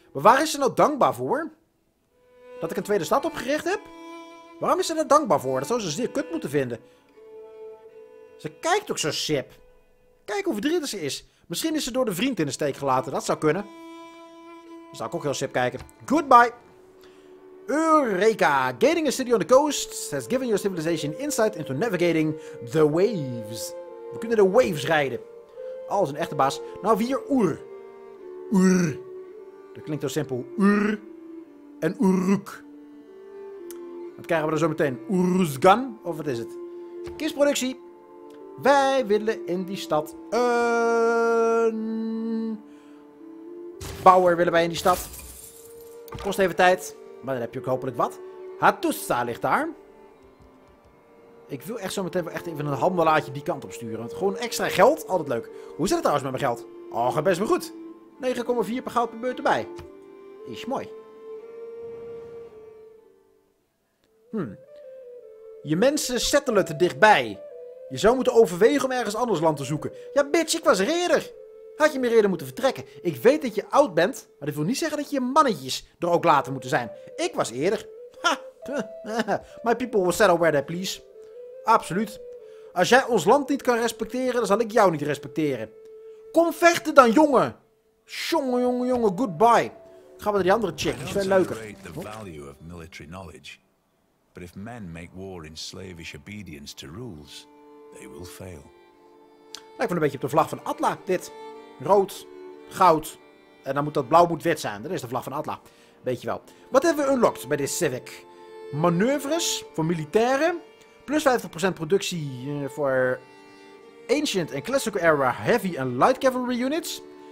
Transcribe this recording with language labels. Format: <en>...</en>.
<nl>Maar waar is ze nou dankbaar voor? Dat ik een tweede stad opgericht heb? Waarom is ze daar dankbaar voor? Dat zou ze zeer kut moeten vinden. Ze kijkt ook zo sip. Kijk hoe verdrietig ze is. Misschien is ze door de vriend in de steek gelaten. Dat zou kunnen. Dan zou ik ook heel sip kijken.</nl> <en>Goodbye. Eureka! Gating a city on the coast has given your civilization insight into navigating the waves.</en> <nl>We kunnen de waves rijden. Als een echte baas. Nou, vier Ur. Ur. Dat klinkt zo simpel. Ur. En Uruk. Wat krijgen we er zo meteen? Uruzgan? Of wat is het? Kistproductie. Wij willen in die stad een... Bouwer willen wij in die stad. Kost even tijd. Maar dan heb je ook hopelijk wat. Hattusa ligt daar. Ik wil echt zo meteen wel echt even een handelaartje die kant op sturen. Want gewoon extra geld, altijd leuk. Hoe zit het trouwens met mijn geld? Oh, gaat best wel goed. 9,4 per goud per beurt erbij. Is mooi. Je mensen settelen te dichtbij. Je zou moeten overwegen om ergens anders land te zoeken. Ja, bitch, ik was er eerder. Had je meer eerder moeten vertrekken. Ik weet dat je oud bent, maar dat wil niet zeggen dat je mannetjes er ook later moeten zijn. Ik was eerder. Ha!</nl> <en>My people will settle where they please.</en> <nl>Absoluut. Als jij ons land niet kan respecteren, dan zal ik jou niet respecteren. Kom vechten dan, jongen! Jongen,</nl> <en>goodbye.</en> <nl>Ik ga met die andere chick, die is veel leuker.</nl> <en>The value of military knowledge. But if men make war in slavish obedience to rules, they will fail.</en> <nl>Lijkt wel een beetje op de vlag van Atla, dit. Rood, goud, en dan moet dat blauw moet wit zijn. Dat is de vlag van Atla. Weet je wel. Wat hebben we unlocked bij dit Civic? Manoeuvres voor militairen. Plus 50% productie voor Ancient en Classical Era Heavy en Light Cavalry Units.</nl>